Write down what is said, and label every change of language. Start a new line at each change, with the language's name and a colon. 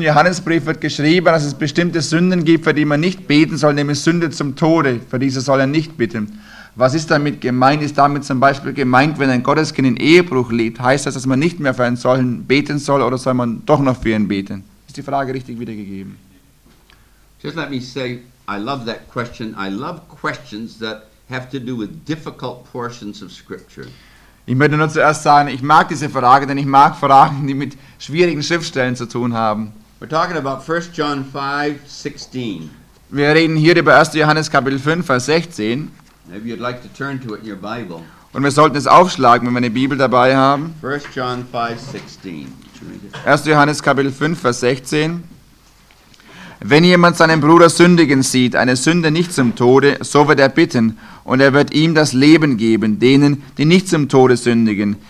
German: Johannesbrief wird geschrieben, dass es bestimmte Sünden gibt, für die man nicht beten soll, nämlich Sünde zum Tode, für diese soll er nicht bitten. Was ist damit gemeint? Ist damit zum Beispiel gemeint, wenn ein Gotteskind in Ehebruch lebt, heißt das, dass man nicht mehr für einen solchen beten soll oder soll man doch noch für ihn beten? Ist die Frage richtig wiedergegeben?
English: Just let me say, I love that question. I love questions that have to do with difficult portions of Scripture.
German: Ich möchte nur zuerst sagen, ich mag diese Frage, denn ich mag Fragen, die mit schwierigen Schriftstellen zu tun haben.
English: We're talking about 1 John 5, 16.
German: Wir reden hier über 1. Johannes Kapitel 5, Vers 16.
English: Maybe you'd like to turn to it in your Bible.
German: Und wir sollten es aufschlagen, wenn wir eine Bibel dabei haben.
English: 1 John 5, 16.
German: 1. Johannes Kapitel 5, Vers 16. Wenn jemand seinen Bruder sündigen sieht, eine Sünde nicht zum Tode, so wird er bitten. Und er wird ihm das Leben geben, denen, die nicht zum Tode sündigen.